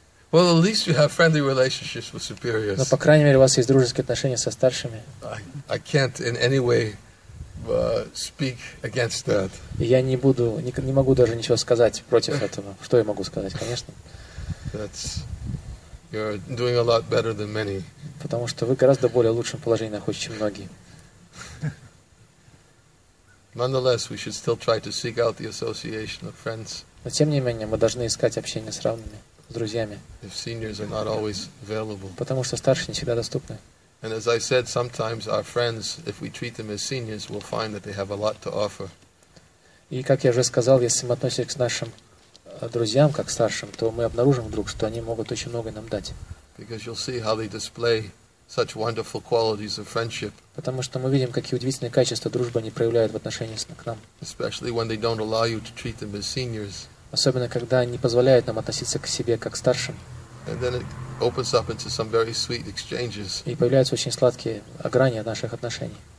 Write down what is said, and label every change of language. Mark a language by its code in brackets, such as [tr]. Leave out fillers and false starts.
[en] Well, at least you have friendly relationships with superiors. [ru] Но по крайней мере у вас есть дружеские отношения со старшими. [en] I can't in any way speak against that. [ru] Я не могу даже ничего сказать против этого. Что я могу сказать, конечно? [en] That's you're doing a lot better than many. [ru] Потому что вы гораздо более лучшем положении находитесь, чем многие. [en] Nonetheless, we should still try to seek out the association of friends. [ru] Но тем не менее мы должны искать общение с равными. Друзьями. [en] If seniors are not always available. [ru] Потому что старшие не всегда доступны. [en] And as I said, sometimes our friends, if we treat them as seniors, we'll find that they have a lot to offer. [ru] И как я уже сказал, если мы относимся к нашим друзьям как к старшим, то мы обнаружим вдруг, что они могут очень много нам дать. [en] Because you'll see how they display such wonderful qualities of friendship. [ru] Потому что мы видим, какие удивительные качества дружбы они проявляют в отношении к нам. [en] Especially when they don't allow you to treat them as seniors. [ru] Особенно, когда они позволяют нам относиться к себе как к старшим. [en] And then it opens up into some very sweet exchanges. [ru] И появляются очень сладкие грани наших отношений.